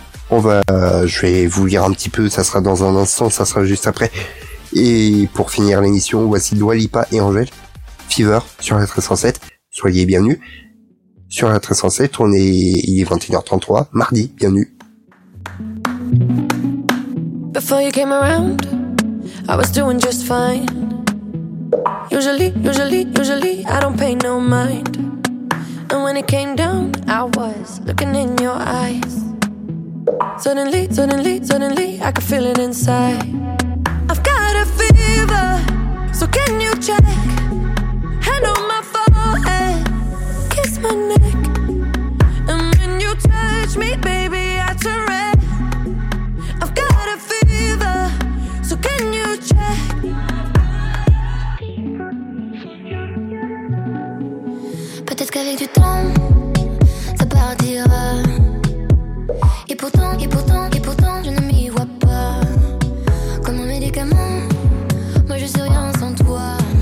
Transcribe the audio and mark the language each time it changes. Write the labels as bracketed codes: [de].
[fr] Je vais vous lire un petit peu, ça sera dans un instant, ça sera juste après. Et pour finir l'émission, voici Dua Lipa et Angèle, Fever sur la 1307. Soyez bienvenus sur la 1307, il est 21h33, mardi, bienvenue. [en] Before you came around, I was doing just fine. Usually, I don't pay no mind. And when it came down, I was looking in your eyes. Suddenly, I could feel it inside. I've got a fever, so can you check? Hand on my forehead, kiss my neck. And when you touch me, baby, I turn red. I've got a fever, so can you check? [fr] Peut-être qu'avec du temps, ça partira. Et pourtant, je ne m'y vois pas. Comme un médicament, moi je suis rien sans toi.